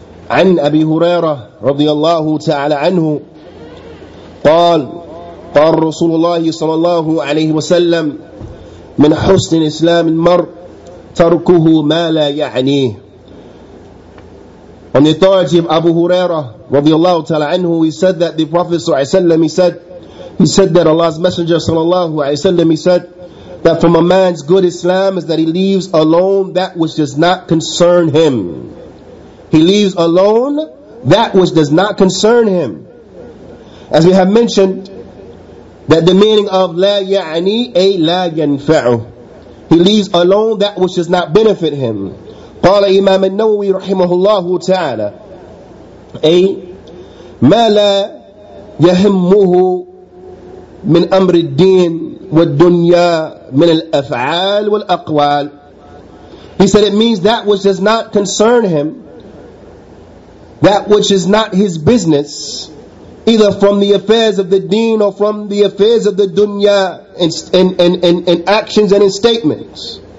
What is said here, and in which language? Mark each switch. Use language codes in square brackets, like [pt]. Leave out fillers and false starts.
[ar] عن أبي هريرة رضي الله تعالى عنه قال قال رسول الله صلى الله عليه وسلم من حسن الإسلام المرء تركه ما لا يعنيه. [en] On the authority of Abu Hurairah radiallahu ta'ala anhu, he said that the Prophet sallallahu alayhi wa sallam, he said that Allah's Messenger sallallahu alayhi wa sallam, he said that from a man's good Islam is that he leaves alone that which does not concern him. He leaves alone that which does not concern him. As we have mentioned, that the meaning of la ya'ani ay la yanfa'u. He leaves alone that which does not benefit him. [ar] قال إمام النووي رحمه الله تعالى أي ما لا يهمه من أمر الدين والدنيا من الأفعال والأقوال. [en] He said it means that which does not concern him, that which is not his business, either from the affairs of the deen or from the affairs of the dunya and actions and in statements.